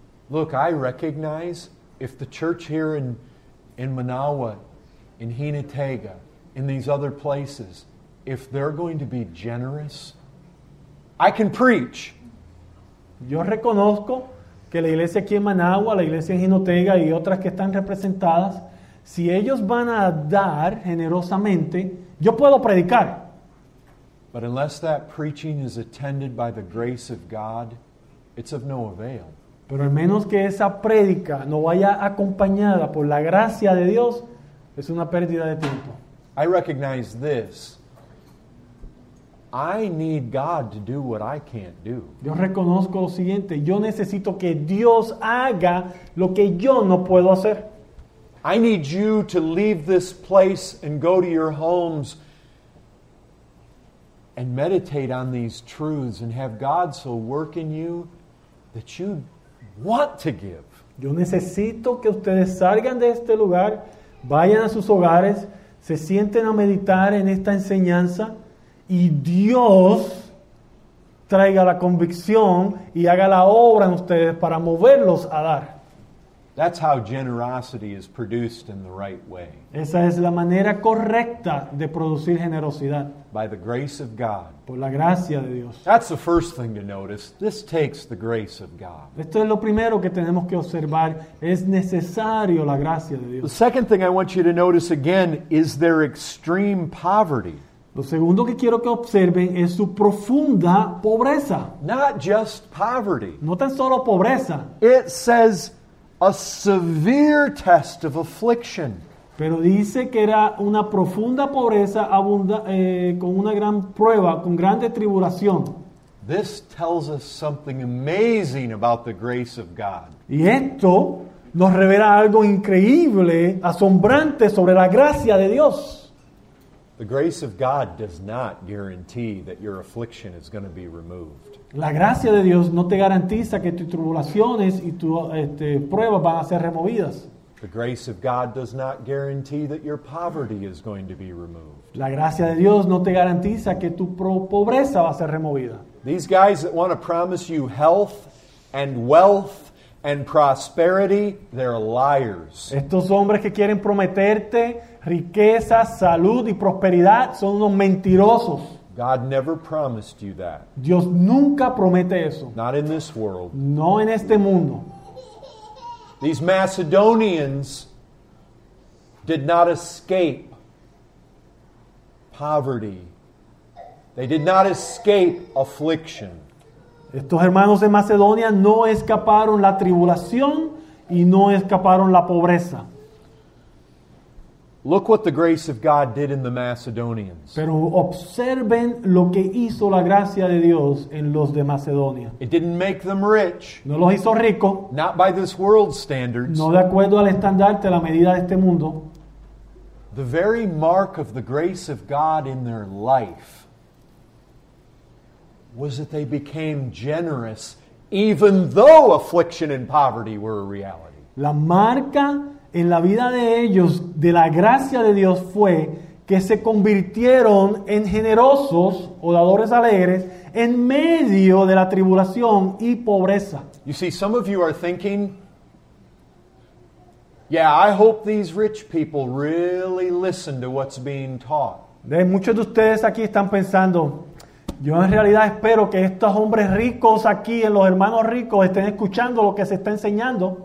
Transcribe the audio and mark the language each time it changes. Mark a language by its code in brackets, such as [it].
[en] Look, I recognize if the church here in Manawa, in Hinatega, in these other places, if they're going to be generous, I can preach. [es] Yo reconozco que la iglesia aquí en Managua, la iglesia en Hinatega y otras que están representadas, si ellos van a dar generosamente, yo puedo predicar. [en] But unless that preaching is attended by the grace of God, it's of no avail. [es] Pero al menos que esa prédica no vaya acompañada por la gracia de Dios, es una pérdida de tiempo. [en] I recognize this. I need God to do what I can't do. [es] Yo reconozco lo siguiente. Yo necesito que Dios haga lo que yo no puedo hacer. [en] I need you to leave this place and go to your homes and meditate on these truths and have God so work in you that you want to give. [es] Yo necesito que ustedes salgan de este lugar, vayan a sus hogares, se sienten a meditar en esta enseñanza y Dios traiga la convicción y haga la obra en ustedes para moverlos a dar. [en] That's how generosity is produced in the right way. [es] Esa es la manera correcta de producir generosidad. [en] By the grace of God. [es] Por la gracia de Dios. [en] That's the first thing to notice. This takes the grace of God. [es] Esto es lo primero que tenemos que observar. Es necesario la gracia de Dios. [en] The second thing I want you to notice again is their extreme poverty. [es] Lo segundo que quiero que observen es su profunda pobreza. [en] Not just poverty. [es] No tan solo pobreza. [en] It says a severe test of affliction. [es] Pero dice que era una profunda pobreza con una gran prueba, con grande tribulación. [en] This tells us something amazing about the grace of God. [es] Y esto nos revela algo increíble, asombrante sobre la gracia de Dios. [en] The grace of God does not guarantee that your affliction is going to be removed. [es] La gracia de Dios no te garantiza que tus tribulaciones y tus pruebas van a ser removidas. [en] The grace of God does not guarantee that your poverty is going to be removed. [es] La gracia de Dios no te garantiza que tu pobreza va a ser removida. [en] These guys that want to promise you health and wealth and prosperity, they're liars. [es] Estos hombres que quieren prometerte riqueza, salud y prosperidad son unos mentirosos. [en] God never promised you that. [es] Dios nunca promete eso. [en] Not in this world. [es] No en este mundo. [en] These Macedonians did not escape poverty. They did not escape affliction. [es] Estos hermanos de Macedonia no escaparon la tribulación y no escaparon la pobreza. [en] Look what the grace of God did in the Macedonians. [es] Pero observen lo que hizo la gracia de Dios en los de Macedonia. [en] It didn't make them rich. [es] No los hizo ricos. [en] Not by this world's standards. [es] No de acuerdo al estandarte, a la medida de este mundo. [en] The very mark of the grace of God in their life was that they became generous even though affliction and poverty were a reality. [es] La marca en la vida de ellos, de la gracia de Dios, fue que se convirtieron en generosos o dadores alegres en medio de la tribulación y pobreza. [en] You see, some of you are thinking, yeah, I hope these rich people really listen to what's being taught. [es] Muchos de ustedes aquí están pensando, yo en realidad espero que estos hombres ricos aquí, en los hermanos ricos, estén escuchando lo que se está enseñando.